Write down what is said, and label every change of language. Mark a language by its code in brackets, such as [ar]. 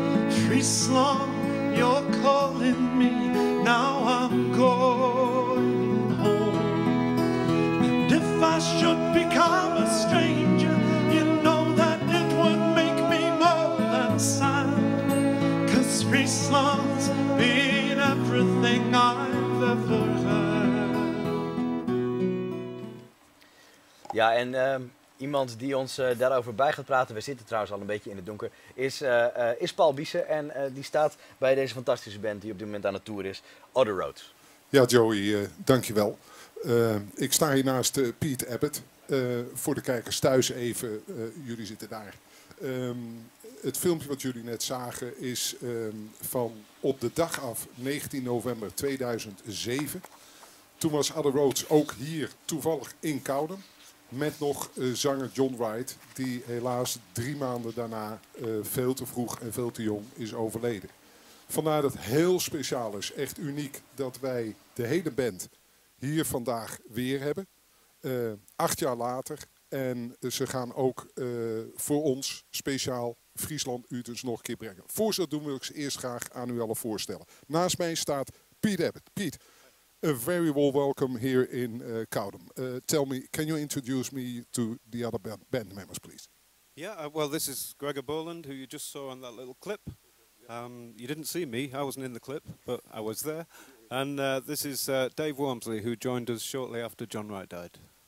[en] Trees long, you're calling me, now I'm going home. And if I should become a stranger, you know that it would make me more than sad. Cause Trees long's been everything I've ever had. [nl] Ja, en iemand die ons daarover bij gaat praten, we zitten trouwens al een beetje in het donker, is Paul Biessen. En die staat bij deze fantastische band die op dit moment aan het tour is, Other Roads. Ja, Joey, dankjewel. Ik sta hier naast Piet Abbott. Voor de kijkers thuis even, jullie zitten daar. Het filmpje wat jullie net zagen is van op de dag af 19 november 2007. Toen was Other Roads ook hier toevallig in Koudum. Met nog zanger John Wright, die helaas 3 maanden daarna veel te vroeg en veel te jong is overleden. Vandaar dat heel speciaal is, echt uniek, dat wij de hele band hier vandaag weer hebben. 8 jaar later en ze gaan ook voor ons speciaal Friesland Utens nog een keer brengen. Voor dat doen wil ik ze eerst graag aan u allen voorstellen. Naast mij staat Piet Abbott. Piet. [en] A very warm welcome here in Koudum. Tell me, can you introduce me to the other band members, please? Yeah, well, this is Gregor Boland, who you just saw on that little clip. You didn't see me, I wasn't in the clip, but I was there. And this is Dave Wormsley, who joined us shortly after John Wright died.